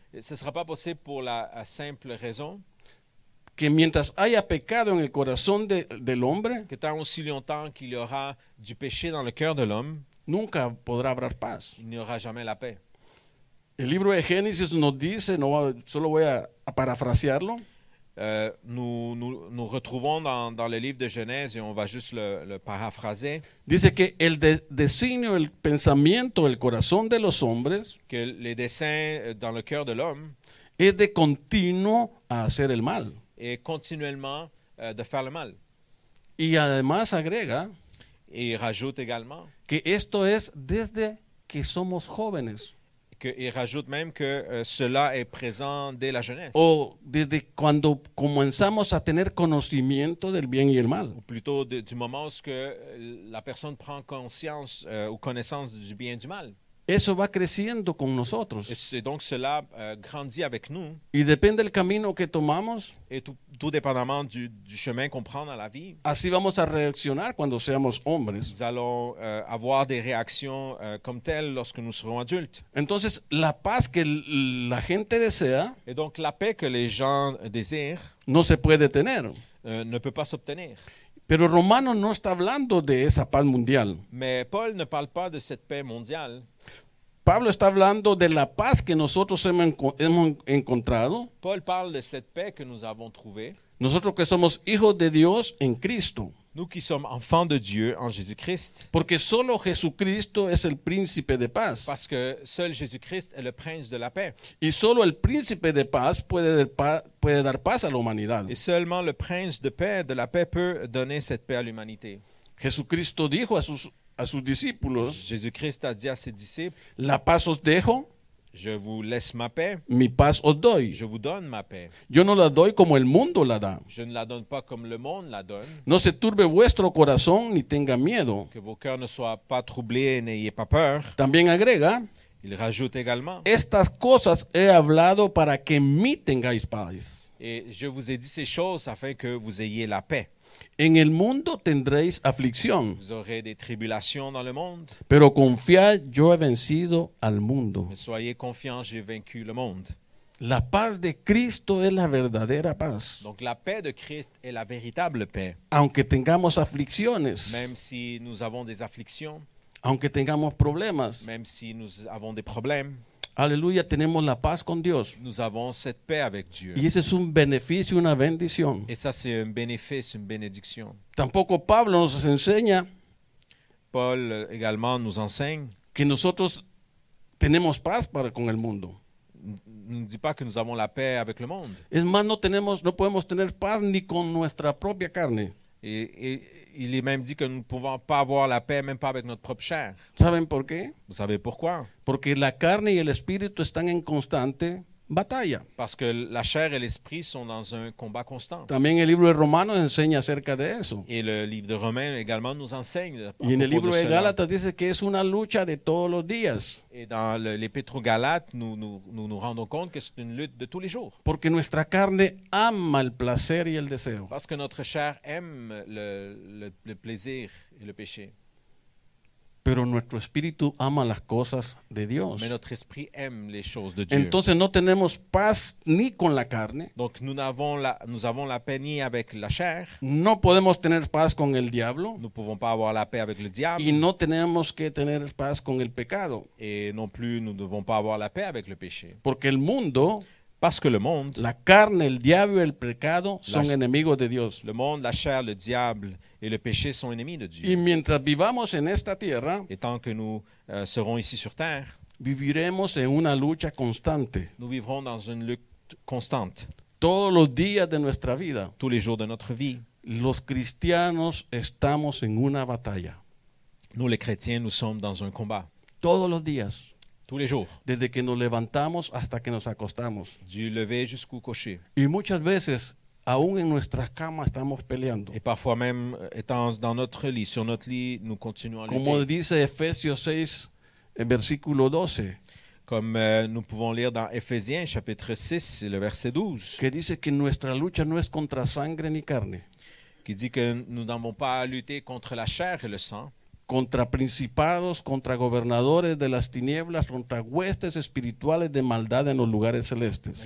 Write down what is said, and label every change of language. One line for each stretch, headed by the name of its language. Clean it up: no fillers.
French: ce sera pas possible pour la simple raison,
Spanish: que mientras haya pecado en el corazón del hombre,
French: que tant aussi longtemps qu'il y aura du péché dans le cœur de l'homme,
Spanish: nunca podrá haber paz.
French: Il n'y aura jamais la paix.
Spanish: El libro de Génesis nos dice, no, solo voy a parafrasearlo.
French: Nous retrouvons dans le livre de Genèse et on va juste le paraphraser.
Spanish: Dice que el designio, el pensamiento, el corazón de los hombres,
French: que les desseins dans le cœur de l'homme,
Spanish: est de continuo a hacer el mal.
French: Et continuellement de faire le mal.
Spanish: Y además agrega,
French: et il rajoute également,
Spanish: que esto es desde que somos jóvenes.
French: Il rajoute même que cela est présent dès la jeunesse.
Spanish: O desde cuando comenzamos a tener conocimiento del bien y el mal.
French: Ou plutôt du moment où que la personne prend conscience ou connaissance du bien et du mal.
Spanish: Eso va creciendo con nosotros.
French: Et donc cela grandit avec nous.
Spanish: Y depende del camino que tomamos.
French: Et tout dépendamment du chemin qu'on prend dans la vie.
Spanish: Así vamos a reaccionar cuando seamos hombres.
French: Nous allons avoir des réactions comme telles lorsque nous serons adultes.
Spanish: Entonces la paz que la gente desea.
French: Et donc la paix que les gens désirent.
Spanish: No se puede tener.
French: Ne peut pas s'obtenir.
Spanish: Pero Romano no está hablando de esa paz mundial.
French: Mais Paul ne parle pas de cette paix mondiale.
Spanish: Pablo está hablando de la paz que nosotros hemos encontrado.
French: Paul parle de cette paix que nous avons trouvée.
Spanish: Nosotros que somos hijos de Dios en Cristo.
French: Nous qui sommes enfants de Dieu en Jésus-Christ.
Spanish: Porque solo Jesucristo es el príncipe de paz.
French: Parce que seul Jésus-Christ est le prince de la paix.
Spanish: Y solo el príncipe de paz puede dar paz a la humanidad.
French: Et seulement le prince de la paix peut donner cette paix à l'humanité.
Spanish: Jesucristo dijo a sus discípulos.
French: Jésus-Christ a dit à ses disciples.
Spanish: La paz os dejo.
French: Je vous laisse ma paix.
Spanish: Mi paz os doy.
French: Je vous donne ma paix.
Spanish: Yo no la doy como el mundo la da.
French: Je ne la donne pas comme le monde la donne.
Spanish: No se turbe vuestro corazón ni tenga miedo.
French: Que vos cœurs ne soient pas troublés, n'ayez pas peur.
Spanish: También agrega.
French: Il rajoute également.
Spanish: Estas cosas he hablado para que en mí tengáis paz.
French: Et je vous ai dit ces choses afin que vous ayez la paix.
Spanish: En el mundo tendréis aflicción.
French: Vous aurez des tribulations dans le monde.
Spanish: Pero confiad, yo he vencido al mundo.
French: Mais soyez confiants, j'ai vaincu le monde.
Spanish: La paz de Cristo es la verdadera paz.
French: Donc la paix de Christ est la véritable paix.
Spanish: Aunque tengamos aflicciones.
French: Même si nous avons des afflictions.
Spanish: Aunque tengamos problemas.
French: Même si nous avons des problèmes.
Spanish: Aleluya, tenemos la paz con Dios.
French: Nous avons cette paix avec Dieu.
Spanish: Y ese es un beneficio, una bendición.
French: Et ça c'est un bénéfice, une bénédiction.
Spanish: Tampoco Pablo nos enseña.
French: Paul également nous enseigne.
Spanish: Que nosotros tenemos paz para con el mundo.
French: Ne dit pas que nous avons la paix avec le monde.
Spanish: Es más, no podemos tener paz ni con nuestra propia carne.
French: Et il est même dit que nous ne pouvons pas avoir la paix même pas avec notre propre chair.
Spanish: ¿Saben por qué?
French: Vous savez pourquoi?
Spanish: Porque la carne y el espíritu están en constante batalla.
French: Parce que la chair et l'esprit sont dans un combat constant.
Spanish: También el libro de Romanos enseña acerca de eso.
French: Et le livre de Romains également nous enseigne.
Spanish: Y en el libro de Gálatas dice que es una lucha de todos los días.
French: Et dans l'épître aux Galates, nous rendons compte que c'est une lutte de tous les jours.
Spanish: Porque nuestra carne ama el placer y el deseo.
French: Parce que notre chair aime le plaisir et le péché.
Spanish: Pero nuestro espíritu ama las cosas de Dios.
French: Mais notre esprit aime les choses de Dieu.
Spanish: Entonces no tenemos paz ni con la carne.
French: Donc nous avons la paix ni avec la chair.
Spanish: No podemos tener paz con el diablo.
French: Nous pouvons pas avoir la paix avec le diable.
Spanish: Y no tenemos que tener paz con el pecado.
French: Et non plus nous devons pas avoir la paix avec le péché.
Spanish: Porque el mundo.
French: Parce que le monde.
Spanish: La carne, el diablo y el pecado son enemigos de Dios.
French: Le monde, la chair, le diable et le péché sont ennemis de Dieu.
Spanish: Y mientras vivamos en esta tierra.
French: Et tant que nous serons ici sur terre.
Spanish: Viviremos en una lucha constante.
French: Nous vivrons dans une lutte constante.
Spanish: Todos los días de nuestra vida.
French: Tous les jours de notre vie.
Spanish: Los cristianos estamos en una batalla.
French: Nous les chrétiens, nous sommes dans un combat.
Spanish: Todos los días.
French: Tous les jours.
Spanish: Desde que nos levantamos hasta que nos acostamos.
French: Du lever jusqu'au coucher.
Spanish: Y muchas veces, aún en nuestras camas estamos peleando.
French: Et parfois même, étant dans notre lit, sur notre lit, nous continuons à lutter.
Spanish: Como dice Efesios 6, versículo 12.
French: Comme nous pouvons lire dans Ephésiens, chapitre 6, le verset 12.
Spanish: Que dice que nuestra lucha no es contra sangre ni carne.
French: Qui dit que nous n'avons pas à lutter contre la chair et le sang.
Spanish: Contra principados, contra gobernadores de las tinieblas, contra huestes espirituales de maldad en los lugares celestes.